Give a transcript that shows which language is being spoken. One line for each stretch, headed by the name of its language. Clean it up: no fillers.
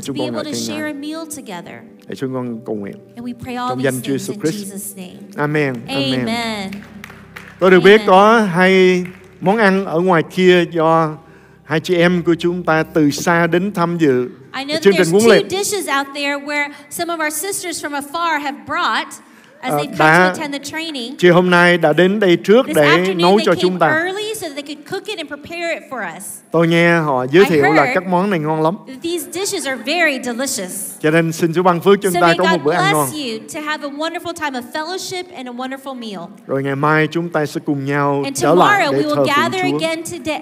Vietnamese: Chúng con ngợi khen Ngài. Để chúng con cầu nguyện trong danh Chúa Jesus Christ.
English: Amen. Amen.
Vietnamese: Tôi được biết có hai món ăn ở ngoài kia do hai chị em của chúng ta từ xa đến tham dự.
English: I know that there's two dishes out there where some of our sisters from afar have brought as they come to attend the training.
Vietnamese: Chị hôm nay đã đến đây trước để nấu cho chúng ta.
English: Early so that they could cook it and prepare it for us.
Vietnamese: Tôi nghe họ giới thiệu là các món này ngon lắm.
English: These dishes are very delicious.
Vietnamese: Cho nên xin Chúa ban phước chúng ta có một bữa ăn ngon.
English: So may God bless you to have a wonderful time of fellowship and a wonderful meal.
Vietnamese: Rồi ngày mai chúng ta sẽ cùng nhau trở lại để thờ phượng Chúa.